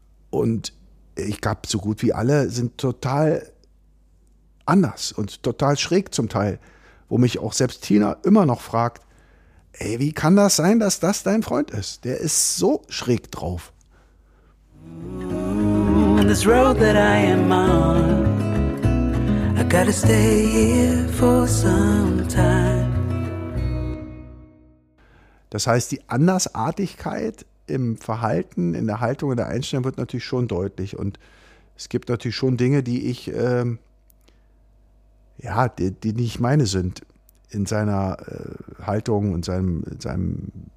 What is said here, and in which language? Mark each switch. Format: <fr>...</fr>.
<de>Und ich glaube, so gut wie alle sind total anders und total schräg zum Teil, wo mich auch selbst Tina immer noch fragt, ey, wie kann das sein, dass das dein Freund ist? Der ist so schräg drauf.</de> <en>This road that I am on, I gotta stay here for some time.</en> <de>Das heißt, die Andersartigkeit im Verhalten, in der Haltung, in der Einstellung wird natürlich schon deutlich. Und es gibt natürlich schon Dinge, die ich, die nicht meine sind. In seiner Haltung und seinem.</de>